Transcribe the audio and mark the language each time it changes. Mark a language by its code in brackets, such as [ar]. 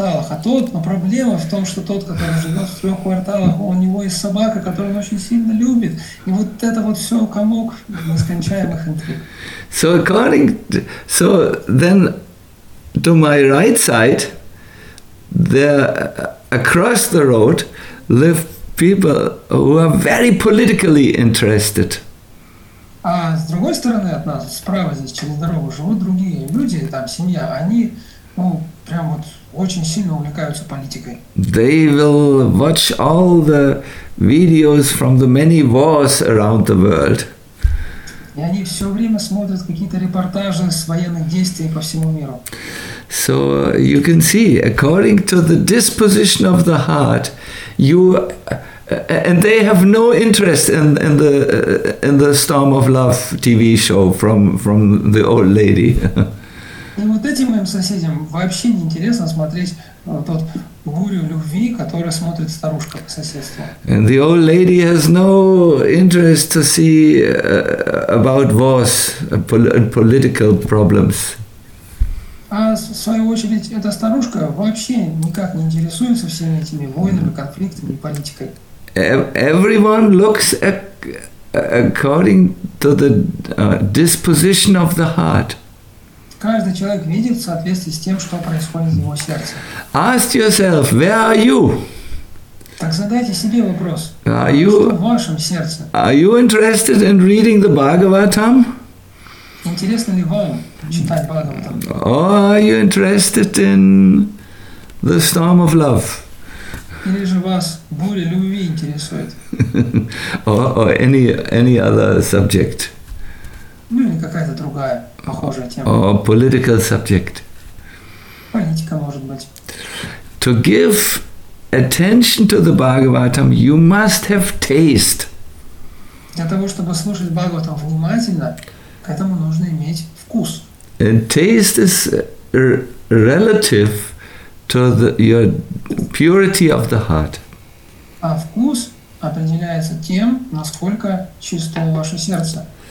[ru] А тот, но проблема в том, что тот, который живет в трех кварталах, у него есть собака, которую он очень сильно любит. И вот это вот все комок нескончаемых интриг. [en] So according to, so then to my right side, there across the road live people who are very politically interested. [ru] А с другой стороны от нас, справа здесь, через дорогу, живут другие люди, там семья, они, ну, прям вот очень сильно увлекаются политикой. [en] They will watch all the videos from the many wars around the world. [ru] И они все время смотрят какие-то репортажи с военных действий по всему миру. [en] So you can see, according to the disposition of the heart, you and they have no interest in the Storm of Love TV show from the old lady. [ru] И вот этим моим соседям вообще не интересно смотреть тот бурю любви, которую смотрит старушка по соседству. [en] And the old lady has no interest to see about wars and political problems. [ru] А в свою очередь эта старушка вообще никак не интересуется всеми этими войнами, конфликтами и политикой. [en] Everyone looks according to the disposition of the heart. [ru] Каждый человек видит в соответствии с тем, что происходит в его сердце. [en] Ask yourself, where are you? [ru] Так задайте себе вопрос. [en] Are you, [ru] что в вашем сердце? [en] Are you interested in reading the Bhagavatam? [ru] Интересно ли вам читать Бхагаватам? [en] Or are you interested in the storm of love? [ru] Или же вас буря любви интересует? [en] or any other subject? [ru] Ну или какая-то другая похожая тема. [en] Or political subject. [ru] Политика, может быть. [en] To give attention to the Bhagavatam, you must have taste. [ru] Для того, чтобы слушать Бхагаватам внимательно, к этому нужно иметь вкус. [en] And taste is relative to your purity of the heart. [ru] А вкус определяется тем, насколько чисто ваше сердце.